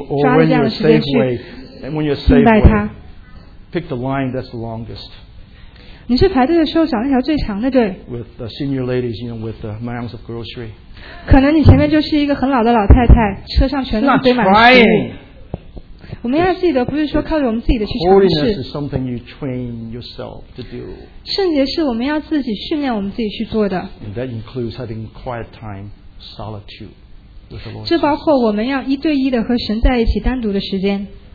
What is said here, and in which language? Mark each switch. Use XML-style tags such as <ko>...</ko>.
<zh>那其实是最好的时间，你能够去抓这样的时间去敬拜他。</zh> <en>Pick the line that's the longest.</en> <zh>你是排队的时候找那条最长的队。</zh> <en>With the senior ladies, you know, with the mounds of grocery.</en> <zh>可能你前面就是一个很老的老太太，车上全都堆满了食物。</zh> <en>Holiness is something you train yourself to do.</en> <zh>圣洁是我们要自己训练我们自己去做的。</zh> <en>And that includes having quiet time, solitude.</en> <zh>这包括我们要一对一的和神在一起单独的时间。</zh>